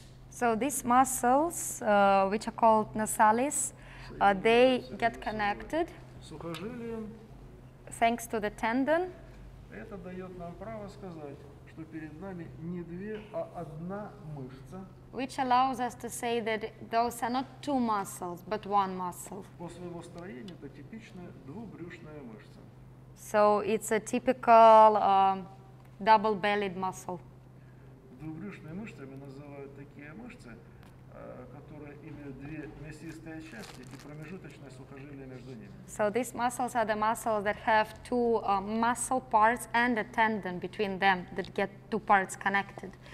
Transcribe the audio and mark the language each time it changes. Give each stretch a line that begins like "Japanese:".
English: So these muscles, which are called nasales, they get connected
Russian: сухожилием,
English: thanks to the tendon.
Russian: Это дает нам право сказать, что перед нами не две, а одна мышца.
English: Which allows us to say that those are not two muscles, but one muscle.
Russian: По своему строению это типичная двубрюшная мышца.
English: So it's a typical double-bellied muscle.
Russian: Двубрюшные мышцы мы называем такие мышцы, которые имеют две мясистые части и промежуточное сухожилие между ними.
English: So these muscles are the muscles that have two muscle parts and a tendon between them that get two parts connected.